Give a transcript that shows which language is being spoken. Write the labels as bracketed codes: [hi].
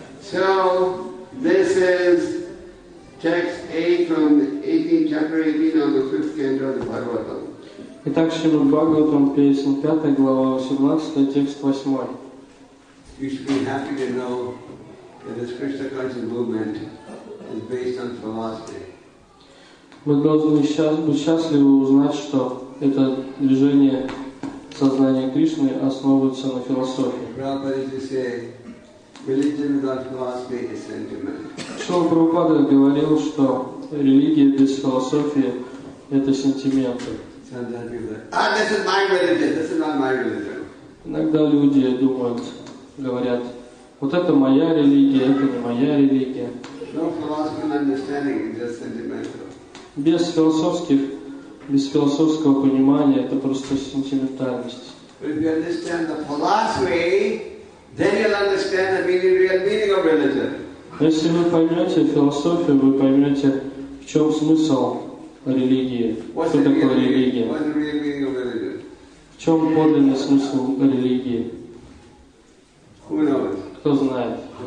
[en] So this is text 8 from the 18th chapter 18 of the 5th canto of the Bhagavatam. [ru] Итак, Шримад Бхагаватам, песня 5, глава 18, текст 8. [en] You should be happy to know that this Krishna conscious movement is based on philosophy. [ru] Мы должны быть счастливы узнать, что это движение сознания Кришны основывается на философии. [en] Prabhupada used to say, religion without philosophy is sentiment. [ru] Шрила Прабхупада говорил, что религия без философии – это сентименты. [en] This is my religion, this is not my religion. [ru] Иногда люди думают, говорят, вот это моя религия, это не моя религия. [en] No philosophy and understanding, it's just sentimental. [ru] Без философского понимания – это просто сентиментальность. [en] But if you understand the philosophy, then you'll understand the meaning, real meaning of religion. [ru] Если вы поймете философию, вы поймете, в чем смысл религии. [en] What's [ru] что такое религия? [en] Meaning, [ru] в чем подлинный смысл религии? Кто знает?